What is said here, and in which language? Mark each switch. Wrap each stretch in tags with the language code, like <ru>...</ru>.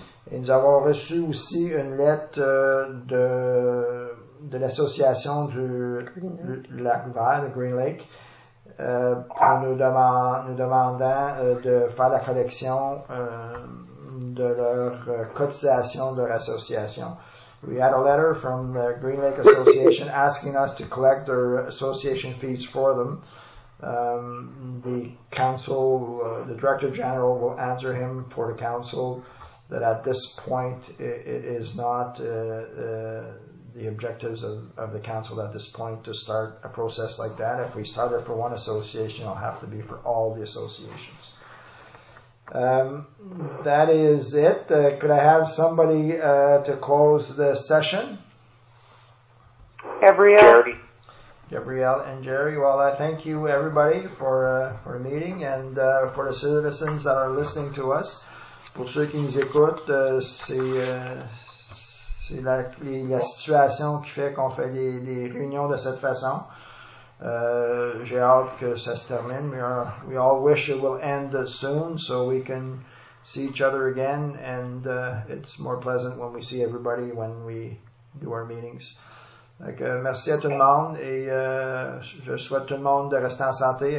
<fr>Et nous avons reçu aussi une lettre de l'association du Lac Vert, le Green Lake, pour nous demandant de faire la collection de leur cotisation de l'association.</fr> <en>We had a letter from the Green Lake Association asking us to collect their association fees for them. The council, the director general will answer him for the council that at this point it is not the objectives of the council at this point to start a process like that. If we start it for one association, it'll have to be for all the associations. That is it. Could I have somebody to close the session? Gabrielle. Gabrielle and Jerry. Well, I thank you, everybody, for the meeting and for the citizens that are listening to us.</en> <fr>Pour ceux qui nous écoutent, c'est la situation qui fait qu'on fait des réunions de cette façon. J'ai hâte que ça se termine.</fr> <en>We all wish it will end soon so we can see each other again, and it's more pleasant when we see everybody when we do our meetings.</en> <fr>Merci à tout le monde et je souhaite tout le monde de rester en santé.</fr>